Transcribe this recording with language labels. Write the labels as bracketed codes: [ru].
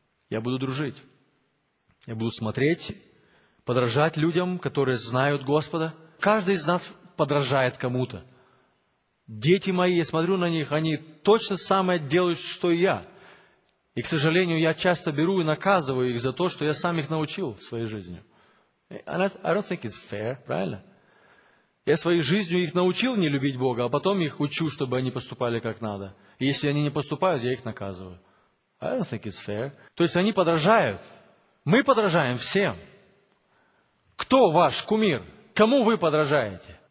[ru] Я буду дружить. Я буду смотреть, подражать людям, которые знают Господа. Каждый из нас подражает кому-то. Дети мои, я смотрю на них, они точно самое делают, что и я. И, к сожалению, я часто беру и наказываю их за то, что я сам их научил своей жизнью. [en] And I don't think it's fair, [ru] правильно? Я своей жизнью их научил не любить Бога, а потом их учу, чтобы они поступали как надо. И если они не поступают, я их наказываю. [en] I don't think it's fair. [ru] То есть они подражают. Мы подражаем всем. Кто ваш кумир? Кому вы подражаете?